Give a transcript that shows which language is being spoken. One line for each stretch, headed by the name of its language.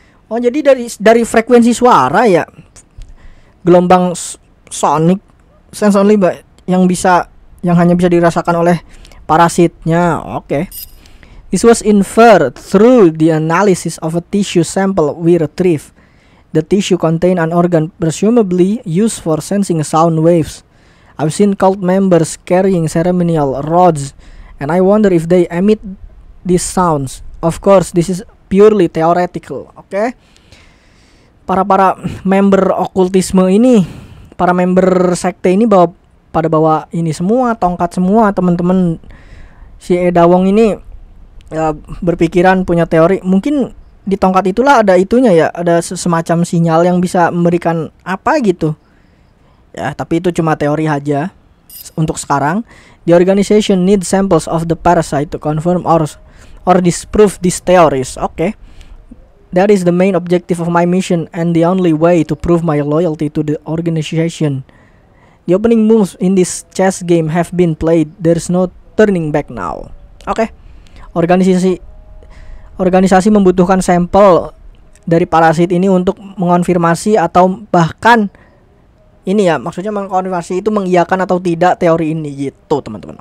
Indonesian: Oh, jadi dari frekuensi suara ya, gelombang
English: sonic sense only by,
Indonesian: yang hanya bisa dirasakan oleh parasitnya. Oke. Okay.
English: This was inferred through the analysis of a tissue sample we retrieved. The tissue contained an organ presumably used for sensing sound waves. I've seen cult members carrying ceremonial rods, and I wonder if they emit these sounds. Of course, this is purely theoretical. Okay?
Indonesian: Para member okultisme ini, para member sekte ini bawa ini semua, tongkat semua, teman-teman. Si Eda Wong ini ya, berpikiran, punya teori, mungkin di tongkat itulah ada itunya ya, ada semacam sinyal yang bisa memberikan apa gitu. Ya, tapi itu cuma teori aja untuk sekarang.
English: The organization needs samples of the parasite to confirm or disprove these theories. Okay. That is the main objective of my mission and the only way to prove my loyalty to the organization. The opening moves in this chess game have been played. There's no turning back now. Okay.
Indonesian: Organisasi membutuhkan sampel dari parasit ini untuk mengonfirmasi atau bahkan ini ya, maksudnya mengkonfirmasi itu mengiyakan atau tidak teori ini gitu, teman-teman.